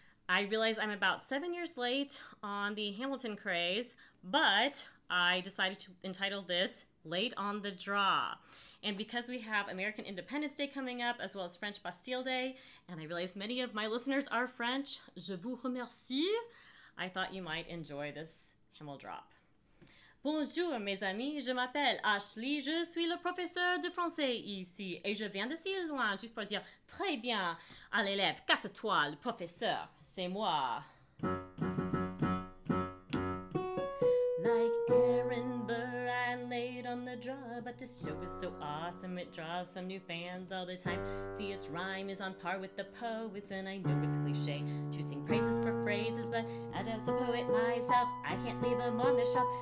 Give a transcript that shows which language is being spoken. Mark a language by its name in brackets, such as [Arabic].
[English] I realize I'm about 7 years late on the Hamilton craze, but I decided to entitle this Late on the Draw. And because we have American Independence Day coming up, as well as French Bastille Day, and I realize many of my listeners are French, [French] je vous remercie, [English] I thought you might enjoy this Hamel drop. [French] Bonjour, mes amis, je m'appelle Ashley, je suis le professeur de français ici, et je viens de si loin, juste pour dire très bien à l'élève, casse-toi, le professeur, c'est moi. [English] Like Aaron Burr, I laid on the draw, but this joke is so awesome, it draws some new fans all the time. See, its rhyme is on par with the poets, and I know it's cliche to sing praises for phrases, but as a poet myself, I can't leave them on the shelf.